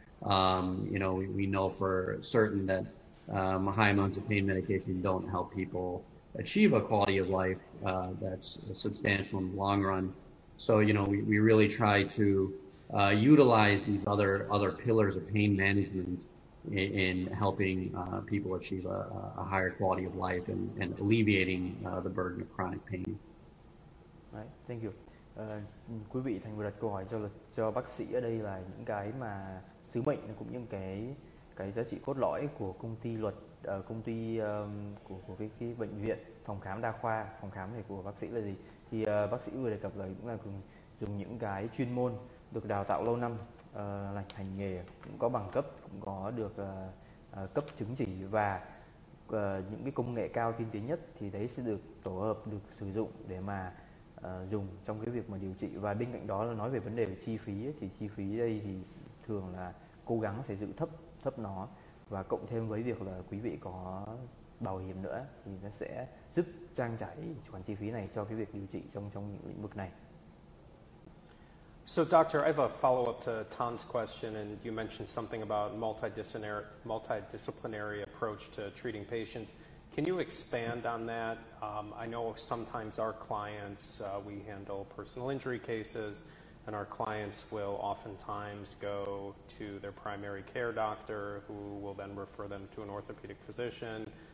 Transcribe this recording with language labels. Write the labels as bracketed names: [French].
[English] You know, we know for certain that high amounts of pain medication don't help people achieve a quality of life that's substantial in the long run. So, you know, we really try to utilize these other pillars of pain management in helping people achieve a higher quality of life and alleviating the burden of chronic pain. Right, thank you. [Vietnamese] Quý vị thành vừa đặt câu hỏi cho bác sĩ ở đây là những cái mà sứ mệnh cũng như cái giá trị cốt lõi của công ty luật, công ty của cái bệnh viện, phòng khám đa khoa, phòng khám này của bác sĩ là gì. Thì bác sĩ vừa đề cập là cũng là dùng những cái chuyên môn được đào tạo lâu năm, là hành nghề, cũng có bằng cấp, cũng có được cấp chứng chỉ, và những cái công nghệ cao tiên tiến nhất thì đấy sẽ được tổ hợp, được sử dụng để mà dùng trong cái việc mà điều trị. Và bên cạnh đó là nói về vấn đề về chi phí ấy, thì chi phí đây thì thường là cố gắng sẽ giữ thấp nó, và cộng thêm với việc là quý vị có bảo hiểm nữa thì nó sẽ giúp trang trải khoản chi phí này cho cái việc điều trị trong những lĩnh vực này. [English] So doctor, I have a follow-up to Tom's question, and you mentioned something about multidisciplinary approach to treating patients. Can you expand on that? I know sometimes our clients, we handle personal injury cases, and our clients will oftentimes go to their primary care doctor, who will then refer them to an orthopedic physician,